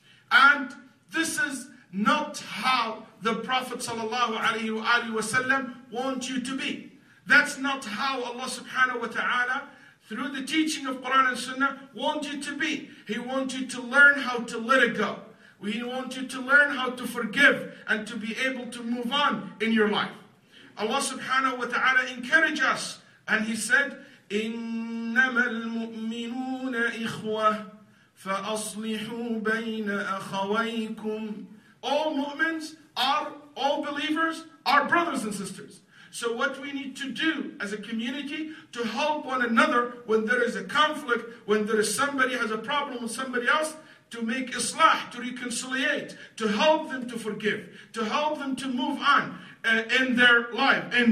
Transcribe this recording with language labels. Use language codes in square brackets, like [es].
[en] And this is not how the Prophet ﷺ wants you to be. That's not how Allah subhanahu wa ta'ala, through the teaching of Quran and Sunnah, wants you to be. He wants you to learn how to let it go. He wants you to learn how to forgive and to be able to move on in your life. Allah subhanahu wa ta'ala encouraged us. And He said, [ar] إِنَّمَا الْمُؤْمِنُونَ إِخْوَةِ فَأَصْلِحُوا بَيْنَ أَخَوَيْكُمْ. [en] All mu'mins are, all believers are brothers and sisters. So what we need to do as a community to help one another when there is a conflict, when there is somebody has a problem with somebody else, to make islah, to reconciliate, to help them to forgive, to help them to move on in their life.